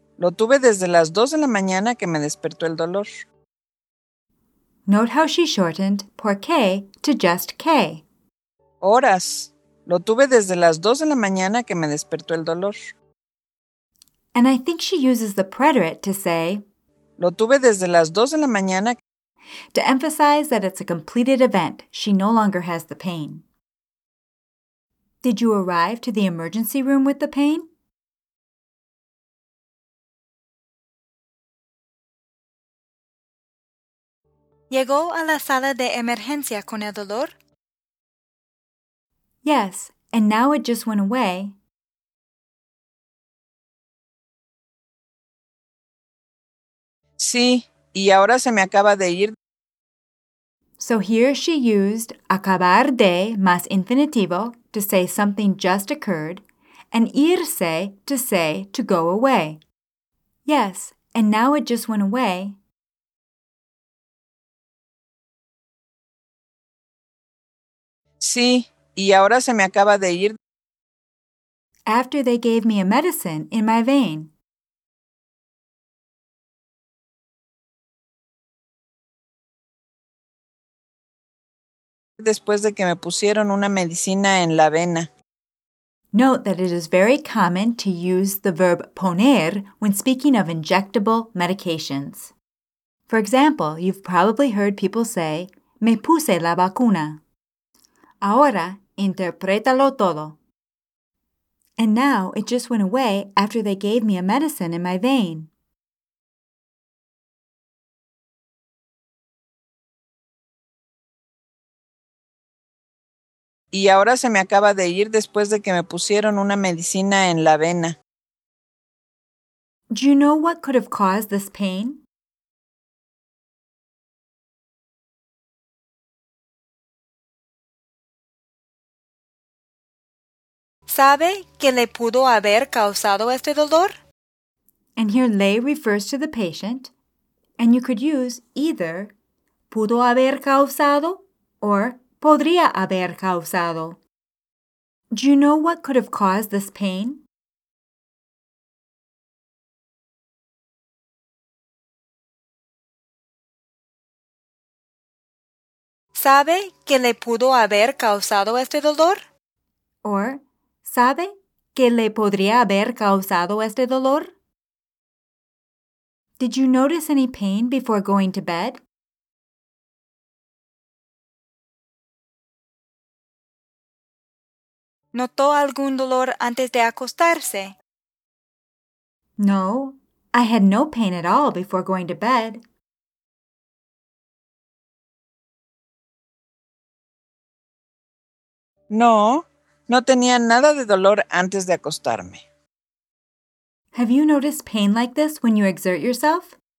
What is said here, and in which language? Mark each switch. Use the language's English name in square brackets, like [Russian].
[Spanish] Lo tuve desde las 2 de la mañana que me despertó el dolor. [English] Note how she shortened por qué to just qué. [Spanish] Horas. Lo tuve desde las 2 de la mañana que me despertó el dolor. [English] And I think she uses the preterite to say, [Spanish] lo tuve desde las 2 de la mañana, [English] to emphasize that it's a completed event. She no longer has the pain. Did you arrive to the emergency room with the pain? [Spanish] ¿Llegó a la sala de emergencia con el dolor? [English] Yes, and now it just went away. [Spanish] Sí, y ahora se me acaba de ir. [English] So here she used acabar de más infinitivo to say something just occurred, and irse to say to go away. Yes, and now it just went away. [Spanish] Sí, y ahora se me acaba de ir. [English] After they gave me a medicine in my vein. [Spanish] Después de que me pusieron una medicina en la vena. [English] Note that it is very common to use the verb poner when speaking of injectable medications. For example, you've probably heard people say, [Spanish] me puse la vacuna. Ahora, interprétalo todo. [English] And now, it just went away after they gave me a medicine in my vein. [Spanish] Y ahora se me acaba de ir después de que me pusieron una medicina en la vena. [English] Do you know what could have caused this pain? [Spanish] ¿Sabe qué le pudo haber causado este dolor? [English] And here le refers to the patient, and you could use either [Spanish] pudo haber causado [English] or [Spanish] podría haber causado. [English] Do you know what could have caused this pain? [Spanish] ¿Sabe qué le pudo haber causado este dolor? Or ¿sabe qué le podría haber causado este dolor? [English] Did you notice any pain before going to bed? [Spanish] ¿Notó algún dolor antes de acostarse? [English] No, I had no pain at all before going to bed. [Spanish] No, no tenía nada de dolor antes de acostarme. [English] Have you noticed pain like this when you exert yourself?